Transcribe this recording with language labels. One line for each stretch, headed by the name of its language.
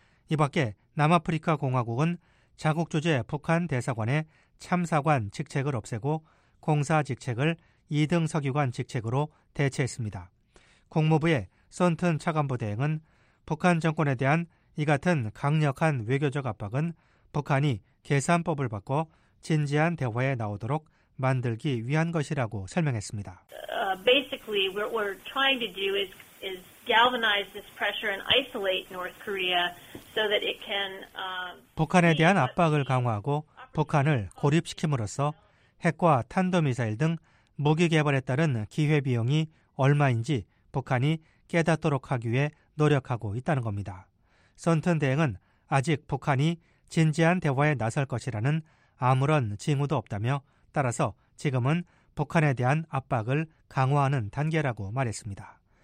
Korean: 이밖에 남아프리카 공화국은 자국 조제 북한 대사관의 참사관 직책을 없애고 공사 직책을 2등 서기관 직책으로 대체했습니다. 국무부의 손튼 차관보 대행은 북한 정권에 대한 이 같은 강력한 외교적 압박은 북한이 계산법을 바꿔 진지한 대화에 나오도록 만들기 위한 것이라고 설명했습니다.
English: Basically, what we're trying to do is galvanize this pressure and isolate North Korea so that it can
Korean: 북한에 대한 압박을 강화하고 북한을 고립시킴으로써 핵과 탄도미사일 등 무기 개발에 따른 기회 비용이 얼마인지 북한이 깨닫도록 하기 위해 노력하고 있다는 겁니다. 선튼 대행은 아직 북한이 진지한 대화에 나설 것이라는 아무런 징후도 없다며 따라서 지금은 북한에 대한 압박을 강화하는 단계라고 말했습니다.